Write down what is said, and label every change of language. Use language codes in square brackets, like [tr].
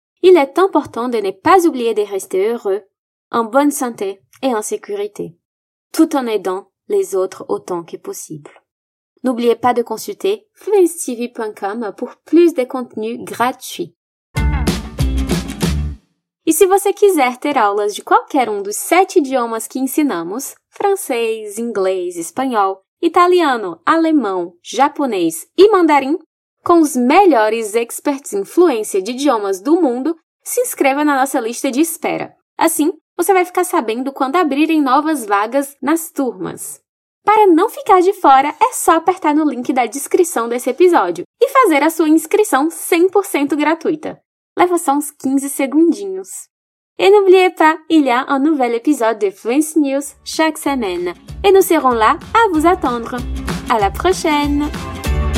[fr] Il est important de ne pas oublier de rester heureux, en bonne santé et en sécurité, tout en aidant les autres autant que possible. N'oubliez pas de consulter fluencetv.com pour plus de contenus gratuits. [pt] E se você quiser ter aulas de qualquer um dos 7 idiomas que ensinamos, francês, inglês, espanhol, italiano, alemão, japonês e mandarim, com os melhores experts em fluência de idiomas do mundo, se inscreva na nossa lista de espera. Assim, você vai ficar sabendo quando abrirem novas vagas nas turmas. Para não ficar de fora, é só apertar no link da descrição desse episódio e fazer a sua inscrição 100% gratuita. Leva só uns 15 segundinhos. [fr] Et n'oubliez pas, il y a un nouvel épisode de Fluency News chaque semaine. Et nous serons là à vous attendre. À la prochaine!